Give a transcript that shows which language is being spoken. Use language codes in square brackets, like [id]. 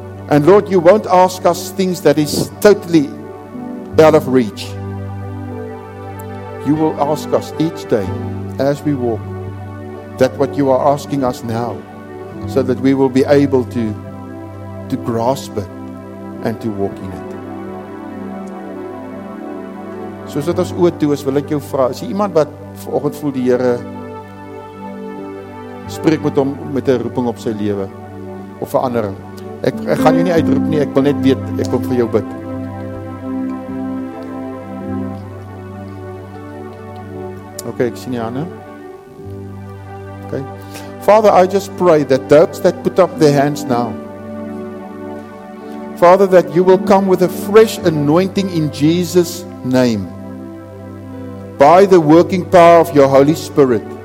[en] And Lord, You won't ask us things that is totally out of reach. You will ask us each day as we walk that what You are asking us now, so that we will be able to grasp it and to walk in it. [af] So as ons oë toe is, wil ek jou vra, is jy iemand wat vanoggend voel die Here spreek met hom met 'n roeping op sy lewe of verandering? Ek gaan jou nie uitroep nie, ek wil net weet, ek wil vir jou bid. [en] Ok, [af] ek sien jy aan, [en] Father, I just pray that those that put up their hands now, Father, that You will come with a fresh anointing in Jesus' name by the working power of Your Holy Spirit.